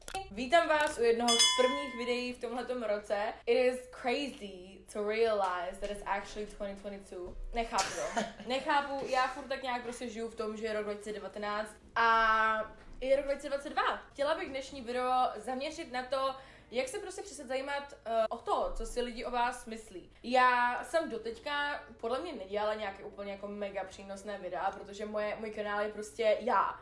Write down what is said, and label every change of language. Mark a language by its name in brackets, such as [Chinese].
[Czech] Vítám vás u jednoho z prvních videí v tomhletom roce. [English] It is crazy to realize that it's actually 2022. [Czech] Nechápu to. Nechápu, já furt tak nějak prostě žiju v tom, že je rok 2019 a je rok 2022. Chtěla bych dnešní video zaměřit na to, jak se prostě přestat zajímat o to, co si lidi o vás myslí. Já jsem doteďka podle mě nedělala nějaké úplně jako mega přínosné videa, protože můj kanál je prostě já.